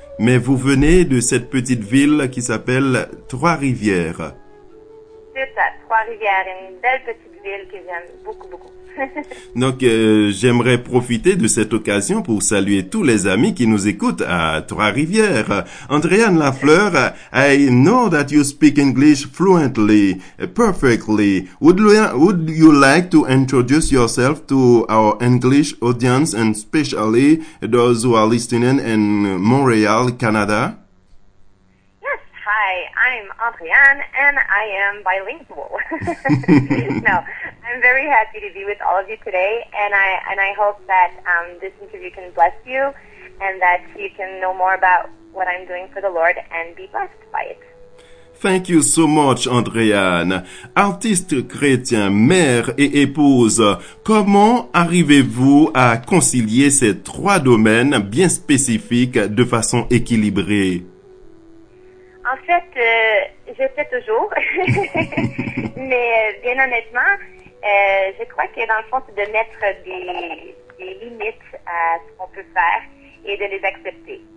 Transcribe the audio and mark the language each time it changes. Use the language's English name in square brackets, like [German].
[French] Mais vous venez de cette petite ville qui s'appelle Trois-Rivières. C'est ça, Trois-Rivières, une belle petite ville que j'aime beaucoup, beaucoup. Donc, j'aimerais profiter de cette occasion pour saluer tous les amis qui nous écoutent à Trois-Rivières. [English] Andréane Lafleur, I know that you speak English fluently, perfectly. Would you like to introduce yourself to our English audience and especially those who are listening in Montreal, Canada? Yes, hi, I'm Andréane and I am bilingual. No. I'm very happy to be with all of you today, and I hope that this interview can bless you, and that you can know more about what I'm doing for the Lord and be blessed by it. Thank you so much, Andréane. [French] Artiste chrétien, mère et épouse, comment arrivez-vous à concilier ces trois domaines bien spécifiques de façon équilibrée? En fait, je sais toujours, mais bien honnêtement, je crois que dans le fond, c'est de mettre des limites à ce qu'on peut faire et de les accepter.